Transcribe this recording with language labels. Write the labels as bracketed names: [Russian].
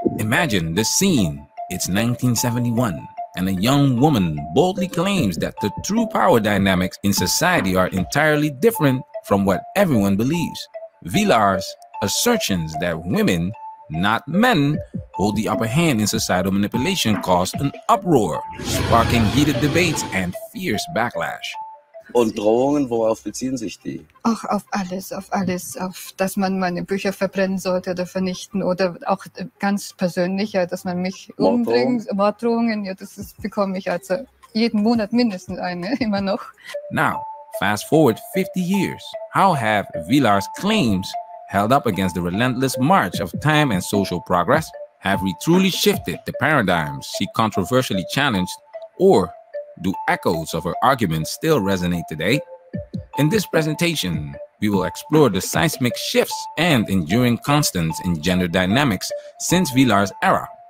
[English] Imagine the scene. It's 1971, and a young woman boldly claims that the true power dynamics in society are entirely different from what everyone believes. Vilar's assertions that women, not men, hold the upper hand in societal manipulation caused an uproar, sparking heated debates and fierce backlash. [German] Und Drohungen, worauf beziehen sich die? Ach, auf alles, auf dass man meine Bücher verbrennen sollte oder vernichten oder auch ganz persönlich, ja, dass man mich umbringt. Morddrohungen, ja, das bekomme ich also jeden Monat mindestens eine, immer noch. [English] Now, fast forward 50 years. How have Vilar's claims held up against the relentless march of time and social progress? Have we truly shifted the paradigms she controversially challenged, or do echoes of her arguments still resonate today? In this presentation, we will explore the seismic shifts and enduring constants in gender dynamics since Vilar's era.